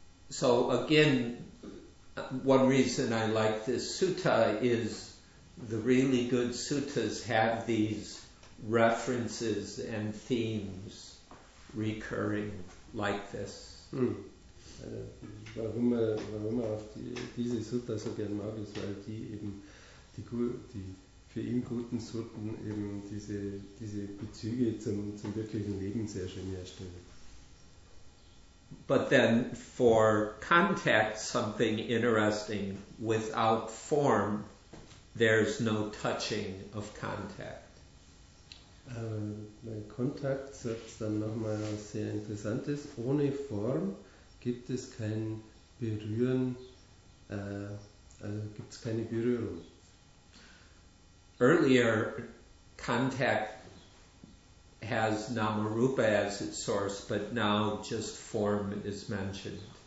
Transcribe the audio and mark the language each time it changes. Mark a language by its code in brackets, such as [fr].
[en] So again, one reason I like this sutta is the really good suttas have these references and themes recurring like this. Hm. [de] Warum auf diese Sutta so gern mag, ist, weil die eben die für ihn guten Sutten eben diese Bezüge zum wirklichen Leben sehr schön herstellen. [en] But then for contact, something interesting, without form, there's no touching of contact. [de] Bei Kontakt sagt es dann nochmal was sehr Interessantes. Ohne Form gibt es kein Berühren, also gibt es keine Berührung. [en] Earlier, contact has Namarupa as its source, but now just form is mentioned.